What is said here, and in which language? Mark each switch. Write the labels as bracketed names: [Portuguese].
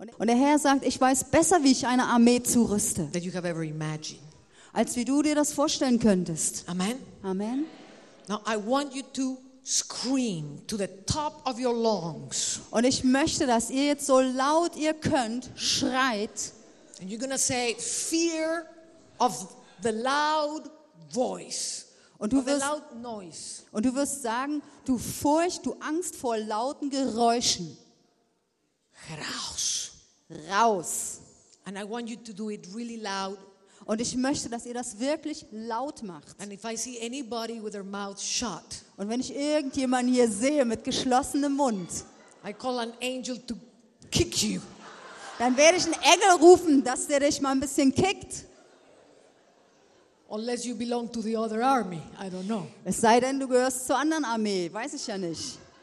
[German] Und der Herr sagt, ich weiß besser, wie ich eine Armee zurüste. [English] That you have ever imagined. [German] Als wie du dir das vorstellen könntest. Amen. Amen. [English] Now I want you to scream to the top of your lungs. [German] Und ich möchte, dass ihr jetzt so laut ihr könnt schreit. [English] And you're gonna say fear of the loud voice. [German] Und du wirst, [English] the loud noise. [German] Und du wirst sagen, du Furcht, du Angst vor lauten Geräuschen. Raus. Raus. [English] And I want you to do it really loud. [German] Und ich möchte, dass ihr das wirklich laut macht. [English] And if I see anybody with their mouth shut, [German] und wenn ich irgendjemanden hier sehe mit geschlossenem Mund, [English] I call an angel to kick you. [German] Dann werde ich einen Engel rufen, dass der dich mal ein bisschen kickt. [English] Unless you belong to the other army, I don't know. [German] Es sei denn, du gehörst zur anderen Armee, weiß ich ja nicht.